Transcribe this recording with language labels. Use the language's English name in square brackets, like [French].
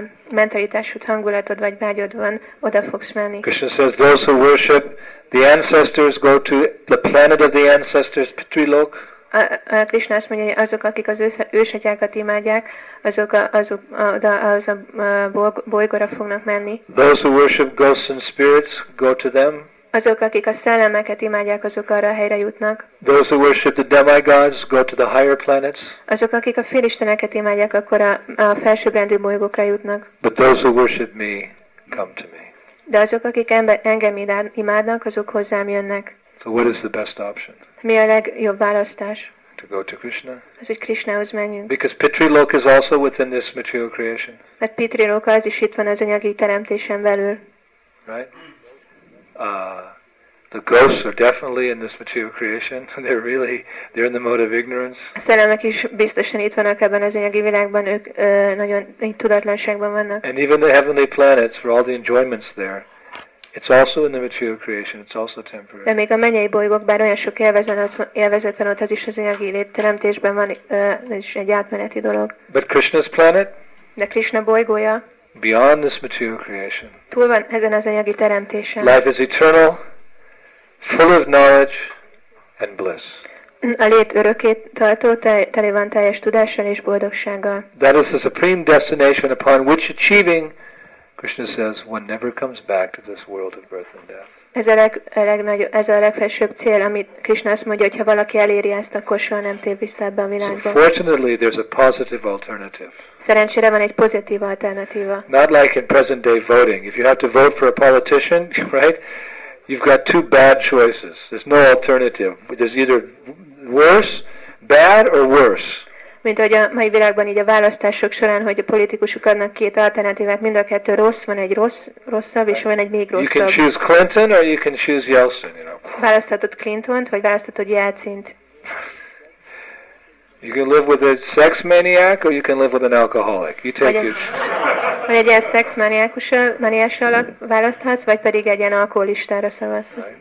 [Hungarian] Mentalitásod, hangulatod vagy vágyod van, oda fogsz menni. [English] Krishna says those who worship the ancestors go to the planet of the ancestors, Pitrilok. [Hungarian] Krishna azt mondja, hogy azok, akik az ősatyákat imádják, azok az a bolygóra fognak menni. [English] Those who worship ghosts and spirits go to them. [Hungarian] Azok, akik a szellemeket imádják, azok arra a helyre jutnak. [English] Those who worship the demigods go to the higher planets. [Hungarian] Azok, akik a félisteneket imádják, akkor a felsőbbrendű bolygókra jutnak. [English] But those who worship me come to me. [Hungarian] De azok, akik engem imádnak, azok hozzám jönnek. [English] So what is the best option? [Hungarian] Mi a legjobb választás? [English] To go to Krishna. [Hungarian] Az, hogy Krishnához menjünk. [English] Because Pitrilok is also within this material creation. [Hungarian] Mert Pitrilok az is itt van az anyagi teremtésen belül. [English] Right? The ghosts are definitely in this material creation. They're in the mode of ignorance. [Hungarian] A szellemek is biztosan itt vannak ebben az anyagi világban, ők nagyon tudatlanságban vannak. [English] And even the heavenly planets for all the enjoyments there, it's also in the material creation, it's also temporary. [Hungarian] De még a mennyei bolygók, bár olyan sok élvezet van ott, az is az anyagi teremtésben van, és egy átmeneti dolog. [English] But Krishna's planet? [Hungarian] De Krishna bolygója. [English] Beyond this material creation. [Hungarian] Túl van ezen az anyagi teremtésen. [English] Life is eternal, full of knowledge and bliss. [Hungarian] A lét örökét tartó, tele van teljes tudással és boldogsággal. [English] That is the supreme destination upon which achieving, Krishna says, one never comes back to this world of birth and death. [Hungarian] Ez a legfelsőbb cél, amit Krishna azt mondja, hogy ha valaki eléri ezt, akkor soha nem tér vissza ebbe a világba. [English] So fortunately, there's a positive alternative. [Hungarian] Szerencsére van egy pozitív alternatíva. [English] Not like in present-day voting. If you have to vote for a politician, right, you've got two bad choices. There's no alternative. There's either worse, bad or worse. [Hungarian] Mint hogy a mai világban így a választások során, hogy a politikusok adnak két alternatívát, mind a kettő rossz, van egy rosszabb, és van egy még rosszabb. [English] You can choose Clinton or you can choose Yeltsin, you know. [Hungarian] Választhatod Clintont, vagy választhatod Yeltsint. [English] You can live with a sex maniac or you can live with an alcoholic. You take your choice. [Hungarian] Vagy egy ilyen sex maniással választhatsz, vagy pedig egy ilyen alkoholistára szavazsz.